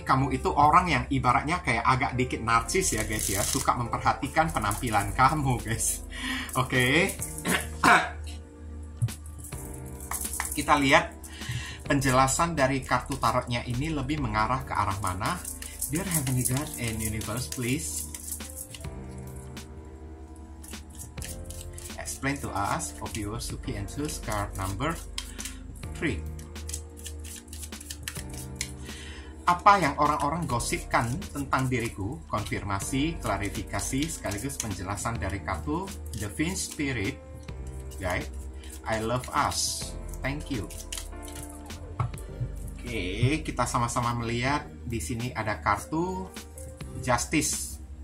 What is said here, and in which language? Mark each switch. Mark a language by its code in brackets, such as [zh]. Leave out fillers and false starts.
[id] Kamu itu orang yang ibaratnya kayak agak dikit narsis ya, guys ya, suka memperhatikan penampilan kamu, guys. Oke. Kita lihat penjelasan dari kartu tarotnya ini lebih mengarah ke arah mana? [en] Dear Heavenly God and Universe, please explain to us of your Suki and Sus card number 3. [id] Apa yang orang-orang gosipkan tentang diriku? Konfirmasi, klarifikasi, sekaligus penjelasan dari kartu Divine Spirit Guide. [en] I love us. Thank you. [id] Oke, kita sama-sama melihat di sini ada kartu Justice.